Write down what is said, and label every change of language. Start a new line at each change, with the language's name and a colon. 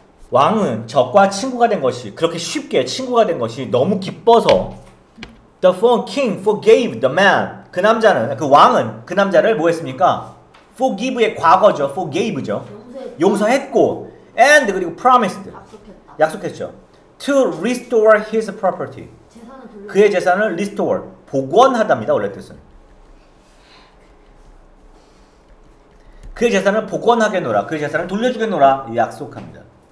Korean: 왕은 적과 친구가 된 것이 그렇게 쉽게 친구가 된 것이 너무 기뻐서
English: the king forgave the man.
Korean: 그 남자는 그 왕은 그 남자를 뭐 했습니까? forgive의 과거죠. forgave죠. 용서했고 and 그리고 promised 약속했죠.
English: to restore his property.
Korean: 그의 재산을 restore 복원하답니다. 원래 뜻은 그의 재산을 복원하겠노라. 그의 재산을 돌려주겠노라. 약속합니다.